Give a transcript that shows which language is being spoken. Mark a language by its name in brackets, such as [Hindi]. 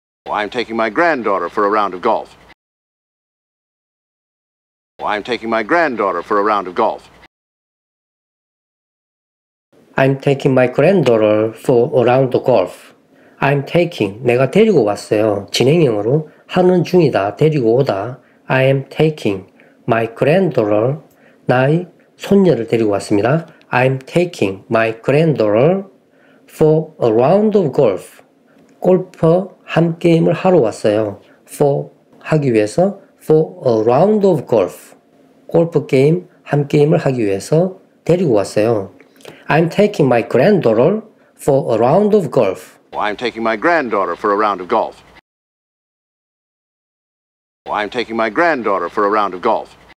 [English] I'm taking my granddaughter for a round of golf. I'm taking my granddaughter for a round of golf. I'm taking my granddaughter for a round of golf. I'm taking, [Korean] 내가 데리고 왔어요. 진행형으로 하는 중이다, 데리고 오다. [English] I am taking my granddaughter, [Korean] 나의 손녀를 데리고 왔습니다. [English] I'm taking my granddaughter for a round of golf. [Korean] 골프 한 게임을 하러 왔어요. [English] for [Korean] 하기 위해서 [English] for a round of golf. [Korean] 골프 게임 한 게임을 하기 위해서 데리고 왔어요. [English] I'm taking my granddaughter for a round of golf. I'm taking my granddaughter for a round of golf. I'm taking my granddaughter for a round of golf.